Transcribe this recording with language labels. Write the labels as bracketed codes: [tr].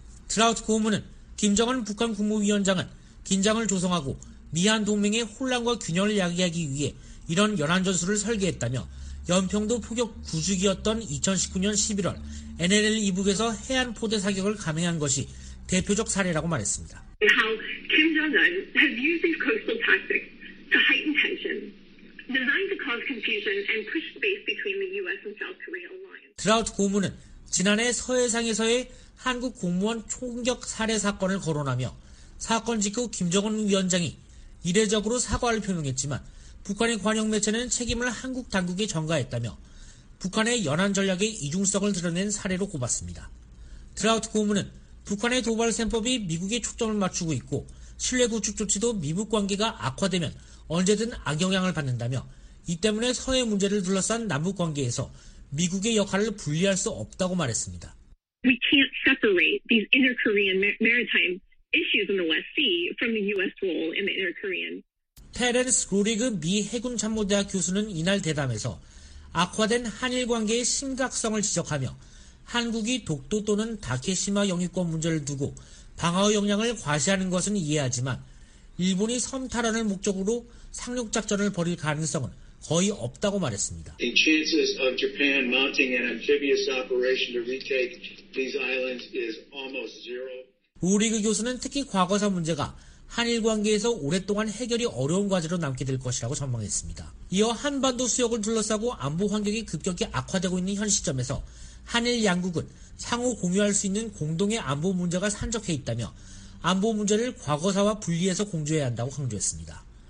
[ko] 트라우트 고문은 김정은 북한 국무위원장은 긴장을 조성하고 미한 동맹의 혼란과 균열을 야기하기 위해 이런 연안 전술을 설계했다며 연평도 포격 9주기였던 2019년 11월 NLL 이북에서 해안 포대 사격을 감행한 것이 대표적 사례라고 말했습니다. [en] How Kim Jong-un has used these coastal tactics to heighten tension, designed to cause confusion and push space between the US and South Korea alliance. [ko] 트라우트 고문은 지난해 서해상에서의 한국 공무원 총격 살해 사건을 거론하며 사건 직후 김정은 위원장이 이례적으로 사과를 표명했지만 북한의 관영 매체는 책임을 한국 당국에 전가했다며 북한의 연안 전략의 이중성을 드러낸 사례로 꼽았습니다. 트라우트 고문은 북한의 도발 셈법이 미국에 초점을 맞추고 있고 신뢰 구축 조치도 미북 관계가 악화되면 언제든 악영향을 받는다며 이 때문에 서해 문제를 둘러싼 남북 관계에서 미국의 역할을 분리할 수 없다고 말했습니다. [en] We can't separate these inter-Korean maritime issues in the West Sea from the U.S. role in the inter-Korean. [ko] 테렌스 로리그 미 해군참모대학 교수는 이날 대담에서 악화된 한일 관계의 심각성을 지적하며 한국이 독도 또는 다케시마 영유권 문제를 두고 방어 역량을 과시하는 것은 이해하지만 일본이 섬 탈환을 목적으로 상륙 작전을 벌일 가능성은 거의 없다고 말했습니다. [en] The chances of Japan mounting an amphibious operation to retake these islands is almost zero. [ko] 우리그 교수는 특히 과거사 문제가 한일 관계에서 오랫동안 해결이 어려운 과제로 남게 될 것이라고 전망했습니다. 이어 한반도 수역을 둘러싸고 안보 환경이 급격히 악화되고 있는 현 시점에서 한일 양국은 상호 공유할 수 있는 공동의 안보 문제가 산적해 있다며 안보 문제를 과거사와 분리해서 공조해야 한다고 강조했습니다.